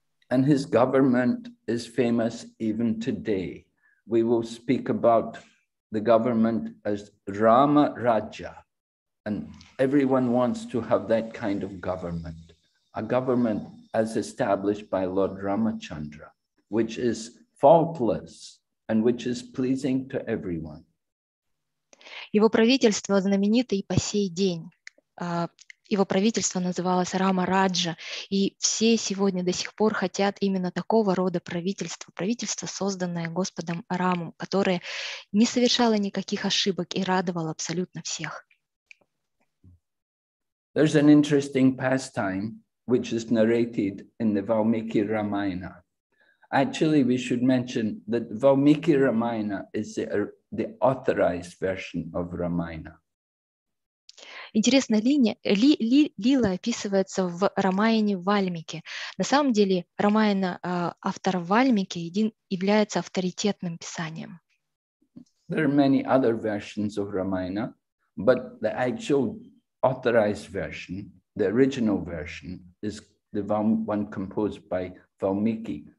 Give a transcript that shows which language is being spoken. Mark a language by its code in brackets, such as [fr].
[en] And his government is famous even today. We will speak about the government as Rama Raja. And everyone wants to have that kind of government. A government as established by Lord Ramachandra, which is faultless. And which is pleasing to everyone. [ru] Его правительство знаменито и по сей день. Его правительство называлось Рама Раджа, и все сегодня до сих пор хотят именно такого рода правительства, правительство, созданное Господом Рамом, которое не совершало никаких ошибок и радовало абсолютно всех. [en] There's an interesting pastime which is narrated in the Valmiki Ramayana. Actually, we should mention that Valmiki Ramayana is the authorized version of Ramayana. [ru] Интересная линия. Лила описывается в Рамаяне Вальмики. На самом деле, Рамаяна, автор Вальмики, является авторитетным писанием. [en] There are many other versions of Ramayana, but the actual authorized version, the original version, is the one composed by Valmiki.